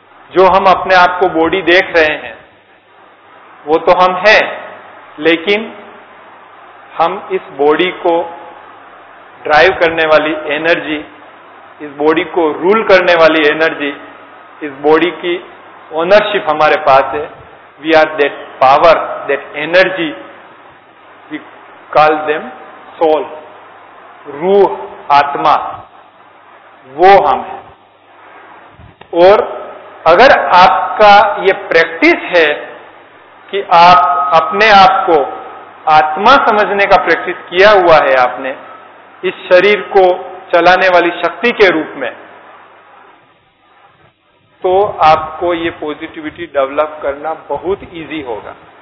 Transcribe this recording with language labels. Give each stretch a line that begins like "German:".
Hindi: जो हम अपने आप को बॉडी देख रहे हैं वो तो हम हैं, लेकिन हम इस बॉडी को ड्राइव करने वाली एनर्जी, इस बॉडी को रूल करने वाली एनर्जी, इस बॉडी की ओनरशिप हमारे पास है.
English: We are that power, that energy. Call them soul, रूह, आत्मा.
Hindi: वो हम हैं. और अगर आपका ये प्रैक्टिस है कि आप अपने आप को आत्मा समझने का प्रैक्टिस किया हुआ है आपने, इस शरीर को चलाने वाली शक्ति के रूप में, तो आपको ये पॉजिटिविटी डेवलप करना बहुत इजी होगा.